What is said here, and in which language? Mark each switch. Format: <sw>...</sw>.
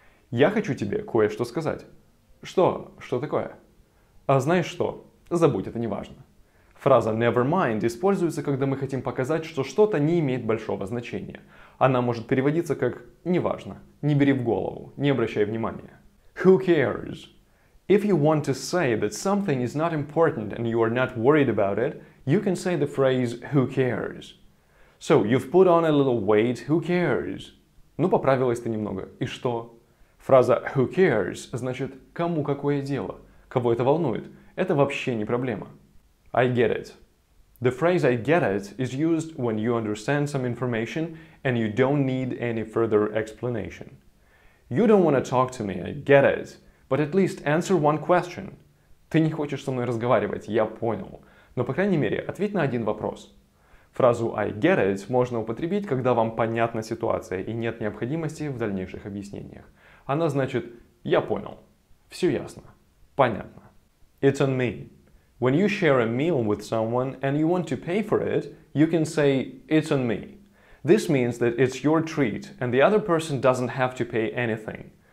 <ru>Я хочу тебе кое-что сказать. Что? Что такое? А знаешь что? Забудь, это не важно. Фраза</ru> <en>never mind</en> <ru>используется, когда мы хотим показать, что что-то не имеет большого значения. Она может переводиться как «неважно», «не бери в голову», «не обращай внимания».</ru> <en>Who cares? If you want to say that something is not important and you are not worried about it, you can say the phrase who cares. So, you've put on a little weight, who cares?</en> <ru>Ну, поправилась ты немного, и что? Фраза</ru> <en>who cares</en> <ru>значит «кому какое дело», «кого это волнует», «это вообще не проблема».</ru> <en>I get it. The phrase I get it is used when you understand some information and you don't need any further explanation. You don't want to talk to me, I get it, but at least answer one question.</en> <ru>Ты не хочешь со мной разговаривать, я понял. Но, по крайней мере, ответь на один вопрос. Фразу</ru> <en>I get it</en> <ru>можно употребить, когда вам понятна ситуация и нет необходимости в дальнейших объяснениях. Она значит «я понял», «все ясно», «понятно».</ru> <en>It's on me. When you share a meal with someone and you want to pay for it, you can say «it's on me». This means that it's your treat and the other person doesn't have to pay anything.</en>